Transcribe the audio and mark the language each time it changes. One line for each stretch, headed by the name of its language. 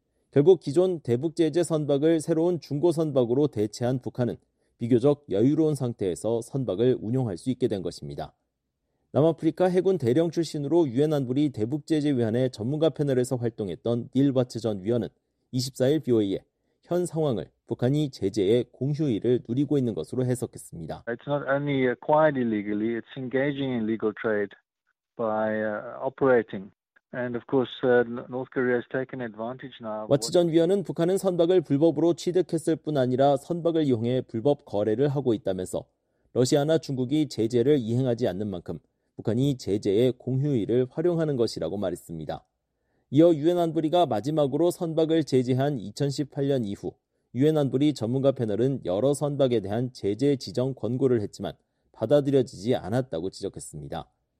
Korean: 결국 기존 대북 제재 선박을 새로운 중고 선박으로 대체한 북한은 비교적 여유로운 상태에서 선박을 운용할 수 있게 된 것입니다. 남아프리카 해군 대령 출신으로 유엔 안보리 대북 제재 위원회 전문가 패널에서 활동했던 닐 바츠 전 위원은 24일 BOA에 현 상황을 북한이 제재의 공휴일을 누리고 있는 것으로 해석했습니다.
English: It's not only acquired illegally, it's engaging in illegal trade by operating. And of course, North Korea has taken advantage now.
Korean: 와츠 전 위원은 북한은 선박을 불법으로 취득했을 뿐 아니라 선박을 이용해 불법 거래를 하고 있다면서 러시아나 중국이 제재를 이행하지 않는 만큼 북한이 제재의 공휴일을 활용하는 것이라고 말했습니다. 이어 유엔 안보리가 마지막으로 선박을 제재한 2018년 이후 유엔 안보리 전문가 패널은 여러 선박에 대한 제재 지정 권고를 했지만 받아들여지지 않았다고 지적했습니다.